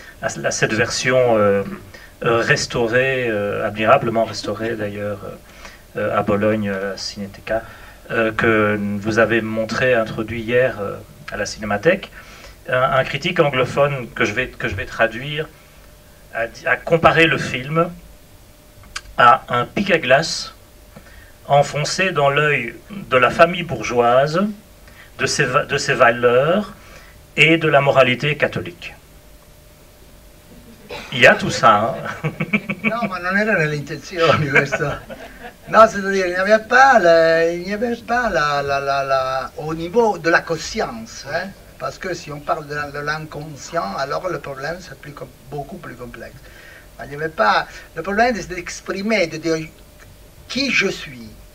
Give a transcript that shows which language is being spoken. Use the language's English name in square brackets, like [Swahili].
[French] à cette version restaurée, admirablement restaurée d'ailleurs à Bologne, à la Cinéthèque, que vous avez montré, introduit hier à la Cinémathèque, un critique anglophone que je vais traduire a comparé le film à un pic à glace enfoncé dans l'œil de la famille bourgeoise, de ses valeurs et de la moralité catholique. Il y a tout ça, hein? Non, mais [Italian] non era l'intenzione, questo. [French] Non, c'est-à-dire, il n'y avait pas au niveau de la conscience, hein? Parce que si on parle de l'inconscient, alors le problème, c'est beaucoup plus complexe. Mais il n'y avait pas... Le problème, c'est d'exprimer, de dire qui je suis.